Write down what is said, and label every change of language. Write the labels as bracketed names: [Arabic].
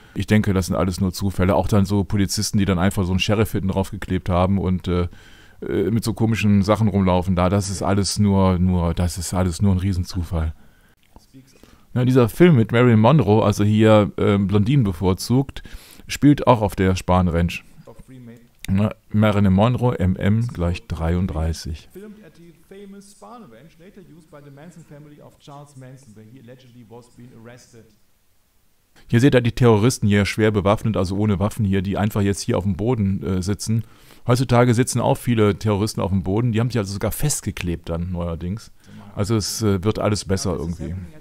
[German] Ich denke, das sind alles nur Zufälle. Auch dann so Polizisten, die dann einfach so einen Sheriff hinten draufgeklebt haben und mit so komischen Sachen rumlaufen da. Das ist alles nur ein Riesenzufall. Ja, dieser Film mit Marilyn Monroe, also hier Blondinen bevorzugt, spielt auch auf der Spahn Ranch. Marilyn Monroe, MM gleich 33. [English] Filmed at the famous Spahn Ranch, later used by the Manson family of Charles Manson, where he allegedly was being arrested. [German] Hier seht ihr die Terroristen hier schwer bewaffnet, also ohne Waffen hier, die einfach jetzt hier auf dem Boden sitzen. Heutzutage sitzen auch viele Terroristen auf dem Boden, die haben sich also sogar festgeklebt dann neuerdings. Also es wird alles besser irgendwie.